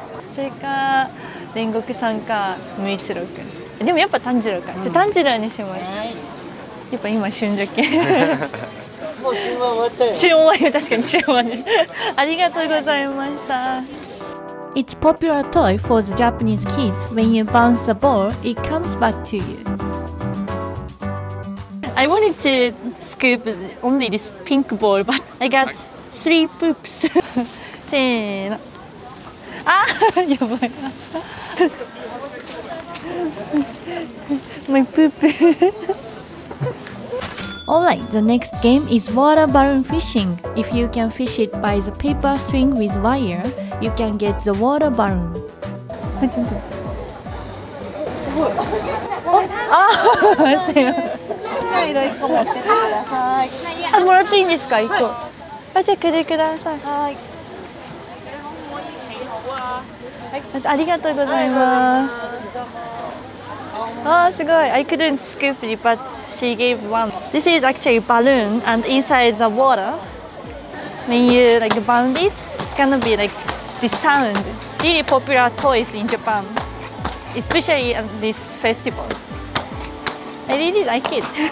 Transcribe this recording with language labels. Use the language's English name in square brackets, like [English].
[Japanese] それか、煉獄さんか、無一郎くん。でもやっぱ炭治郎か。うん、じゃあ炭治郎にします。はい、やっぱ今旬じゃっけ。もう旬は終わったよ。旬終わりよ、確かに旬はね。ありがとうございました。 [English] It's popular toy for the Japanese kids. When you bounce the ball, it comes back to you. I wanted to scoop only this pink ball, but I got three poops. [Japanese] せーの。あ、やばい。 [English] My poop. Alright, the next game is water balloon fishing. If you can fish it by the paper string with wire, you can get the water balloon. [Japanese] あ、せーの。色1個持っててください。あ、もらっていいんですか、1個。じゃあ、くれください。はい。ありがとうございます。ああ、すごい。 [English] I couldn't scoop it, but she gave one. This is actually a balloon, and inside the water, when you like bound it, it's gonna be like this sound. really popular toys in Japan, especially at this festival. I really like it.